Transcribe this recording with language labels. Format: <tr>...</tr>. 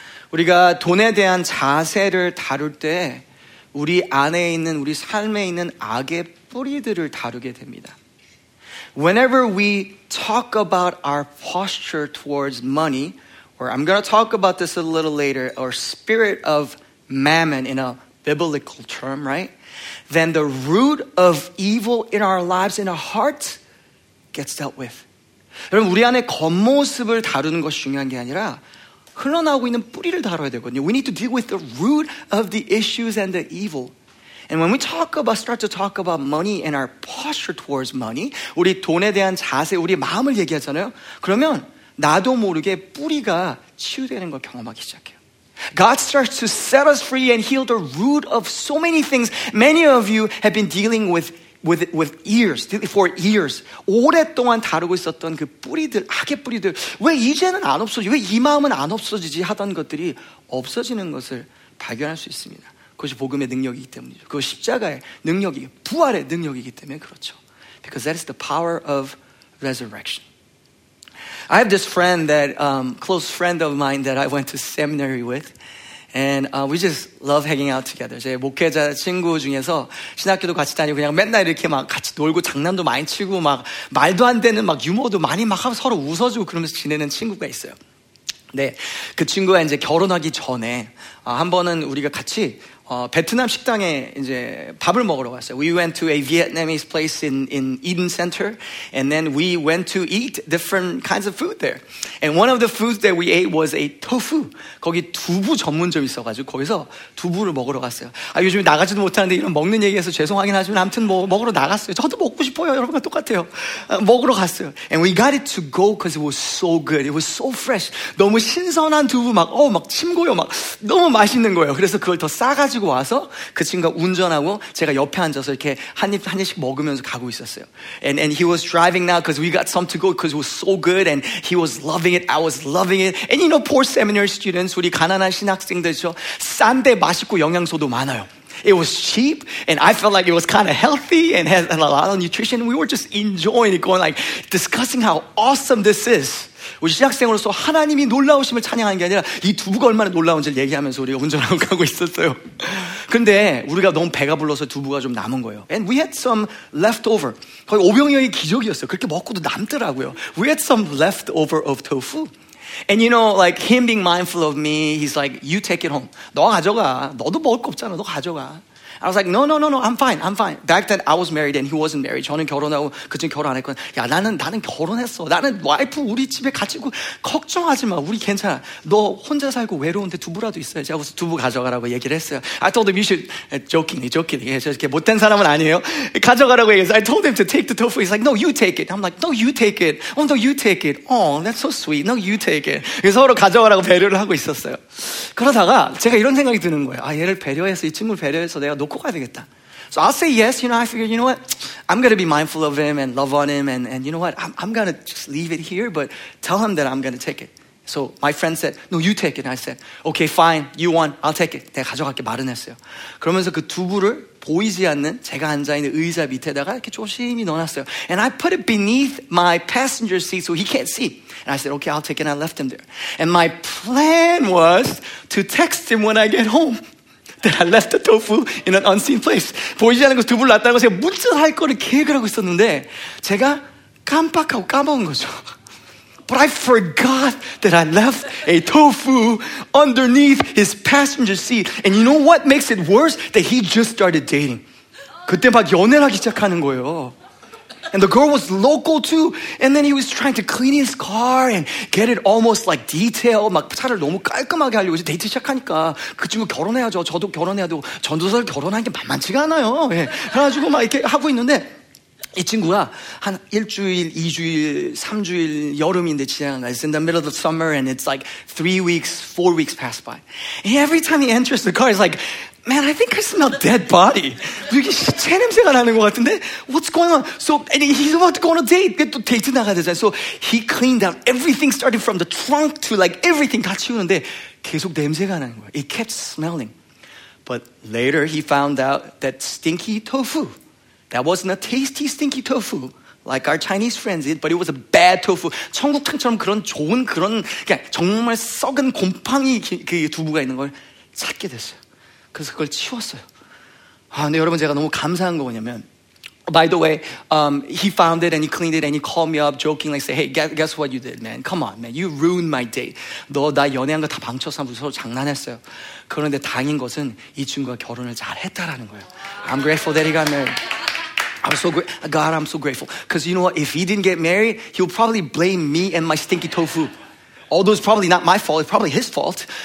<ko>우리가 돈에 대한 자세를 다룰 때 우리 안에 있는 우리 삶에 있는 악의 뿌리들을 다루게 됩니다.</ko> <en>Whenever we talk about our posture towards money, or I'm going to talk about this a little later, or spirit of mammon in a biblical term, right? Then the root of evil in our lives, in our hearts, gets dealt with.</en> <ko>여러분, 우리 안에 겉모습을 다루는 것이 중요한 게 아니라 흘러나오고 있는 뿌리를 다뤄야 되거든요.</ko> <en>We need to deal with the root of the issues and the evil. And when we start to talk about money and our posture towards money,</en> <ko>우리 돈에 대한 자세, 우리 마음을 얘기하잖아요. 그러면 나도 모르게 뿌리가 치유되는 걸 경험하기 시작해요.</ko> <en>God starts to set us free and heal the root of so many things. Many of you have been dealing with years, for years.</en> <ko>오랫동안 다루고 있었던 그 뿌리들, 악의 뿌리들. 왜 이제는 안 없어지지? 왜 이 마음은 안 없어지지? 하던 것들이 없어지는 것을 발견할 수 있습니다. 그것이 복음의 능력이기 때문이죠. 그것이 십자가의 능력이, 부활의 능력이기 때문에 그렇죠.</ko> <en>Because that is the power of resurrection. I have this friend that, close friend of mine that I went to seminary with. And we just love hanging out together.</en> <ko>제 목회자 친구 중에서 신학교도 같이 다니고 그냥 맨날 이렇게 막 같이 놀고 장난도 많이 치고 막 말도 안 되는 막 유머도 많이 막 하고 서로 웃어주고 그러면서 지내는 친구가 있어요. 네, 그 친구가 이제 결혼하기 전에 한 번은 우리가 같이 베트남 식당에 이제 밥을 먹으러 갔어요.</ko> <en>We went to a Vietnamese place in Eden Center, and then we went to eat different kinds of food there. And one of the foods that we ate was a tofu.</en> <ko>거기 두부 전문점 있어가지고 거기서 두부를 먹으러 갔어요. 아, 요즘에 나가지도 못하는데 이런 먹는 얘기해서 죄송하긴 하지만 아무튼 뭐 먹으러 나갔어요. 저도 먹고 싶어요. 여러분과 똑같아요. 먹으러 갔어요.</ko> <en>And we got it to go because it was so good. It was so fresh.</en> <ko>너무 신선한 두부 막 막 침 고여 막 너무 맛있는 거예요. 그래서 그걸 더 싸가 가지고 와서 그 친구가 운전하고 제가 옆에 앉아서 이렇게 한 입씩 먹으면서 가고 있었어요.</ko> <en>And he was driving now because we got some to go because it was so good and he was loving it. I was loving it. And you know, poor seminary students,</en> <ko>우리 가난한 신학생들죠. 싼데 맛있고 영양소도 많아요.</ko> <en>It was cheap and I felt like it was kind of healthy and had a lot of nutrition. We were just enjoying it, going like discussing how awesome this is.</en> <ko>우리 신학생으로서 하나님이 놀라우심을 찬양하는 게 아니라 이 두부가 얼마나 놀라운지를 얘기하면서 우리가 운전하고 가고 있었어요. 근데 우리가 너무 배가 불러서 두부가 좀 남은 거예요.</ko> <en>And we had some leftover.</en> <ko>거의 오병이어의 기적이었어요. 그렇게 먹고도 남더라고요.</ko> <en>We had some leftover of tofu. And you know, like him being mindful of me, he's like, you take it home.</en> <ko>너 가져가. 너도 먹을 거 없잖아. 너 가져가.</ko> <en>I was like, no, I'm fine. Back then, I was married and he wasn't married.</en> <ko>저는 결혼하고 그쯤 결혼 안 했거든. 야, 나는 결혼했어. 나는 와이프 우리 집에 같이 있고 걱정하지 마. 우리 괜찮아. 너 혼자 살고 외로운데 두부라도 있어요. 제가 그래서 두부 가져가라고 얘기를 했어요.</ko> <en>I told him you should, joking.</en> <ko>저 이렇게 못된 사람은 아니에요. 가져가라고 얘기했어요.</ko> <en>I told him to take the tofu. He's like, no, you take it. I'm like, no, you take it. Oh, no, you take it. Oh, that's so sweet. No, you take it.</en> <ko>그래서 서로 가져가라고 배려를 하고 있었어요. 그러다가 제가 이런 생각이 드는 거예요. 아, 얘를 배려해서, 이 친구를 배려해서 내가 놓고 가야 되겠다.</ko> <en>So I'll say yes, you know, I figured, you know what? I'm going to be mindful of him and love on him. And you know what? I'm going to just leave it here, but tell him that I'm going to take it. So my friend said, no, you take it. And I said, okay, fine, you won, I'll take it.</en> <ko>내가 가져갈게, 말은 했어요. 그러면서 그 두부를 보이지 않는 제가 앉아있는 의자 밑에다가 이렇게 조심히 넣어놨어요.</ko> <en>And I put it beneath my passenger seat so he can't see. And I said, okay, I'll take it. And I left him there. And my plan was to text him when I get home that I left the tofu in an unseen place.</en> <ko>보이지 않는 것을 두부를 놨다는 것을 제가 문질할 거를 계획을 하고 있었는데 제가 깜빡하고 까먹은 거죠.</ko> <en>But I forgot that I left a tofu underneath his passenger seat. And you know what makes it worse? That he just started dating.</en> <ko>그때 막 연애를 하기 시작하는 거예요.</ko> <en>And the girl was local too. And then he was trying to clean his car and get it almost like detailed.</en> <ko>막 차를 너무 깔끔하게 하려고 이제 데이트 시작하니까 그 친구 결혼해야죠. 저도 결혼해야 되고 전도사를 결혼하는 게 만만치가 않아요. 예. 그래가지고 막 이렇게 하고 있는데 이 친구가 한 일주일, 이주일, 삼주일 여름인데 지나간 거야.</ko> <en>It's in the middle of the summer and it's like 3 weeks, 4 weeks pass by. And every time he enters the car, he's like, man, I think I smell dead body.</en> <ko>이게 시체 냄새가 나는 것 같은데?</ko> <en>What's going on? So, and he's about to go on a date.</en> <ko>또 데이트 나가야 되잖아요.</ko> <en>So, he cleaned out everything, started from the trunk to like everything</en> <ko>다 치우는데 계속 냄새가 나는 거야.</ko> <en>It kept smelling. But later, he found out that stinky tofu, that wasn't a tasty, stinky tofu like our Chinese friends did, but it was a bad tofu.</en> <ko>청국장처럼 그런 좋은 그런 그냥 정말 썩은 곰팡이 그 두부가 있는 걸 찾게 됐어요. 그래서 그걸 치웠어요. 아, 근데 여러분 제가 너무 감사한 거 뭐냐면,</ko> <en>by the way, he found it and he cleaned it and he called me up joking like, say, hey, guess what you did, man? Come on, man. You ruined my date.</en> <ko>너 나 연애한 거 다 망쳤어. 무슨 서로 장난했어요. 그런데 다행인 것은 이 친구가 결혼을 잘했다라는 거예요.</ko> <en>I'm grateful that he got married. I'm so grateful. God, I'm so grateful. Because you know what? If he didn't get married, he would probably blame me and my stinky tofu. Although it's probably not my fault. It's probably his fault.</en>